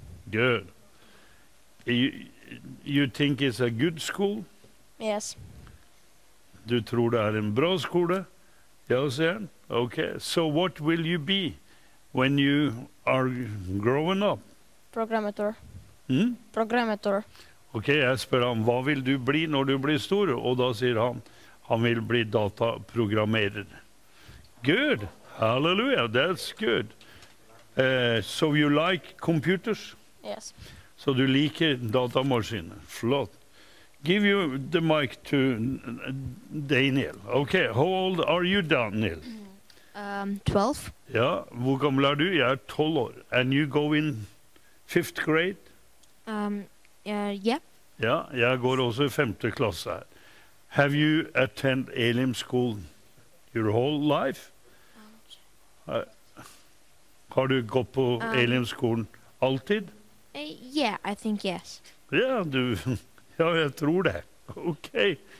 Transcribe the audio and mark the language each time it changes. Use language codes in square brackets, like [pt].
[en] Good. You think it's a good school? Yes. [no] Du tror det en bra skole? Ja, sier han. Okay. [en] So what will you be when you are growing up? Programmator. Hmm? Programmator. [no] Okay, jeg spør ham, hva vil du bli når du blir stor? Og da sier han, han vil bli dataprogrammerer. [en] Good. Hallelujah. That's good. So you like computers? Yes. [no] So du liker datamaskiner. Flott. [en] Give you the mic to Daniel. Okay, how old are you, Daniel? 12. [no] Ja, hvor gammel du? Jeg 12 år. [en] And you go in fifth grade? Yeah. [no] Ja, jeg går også i femte klasse. [en] Have you attend ALM school your whole life? [no] Har du gått på ALM skolen alltid? [en] Yeah, I think yes. [no] Yeah, du, ja, jeg tror det. Okay.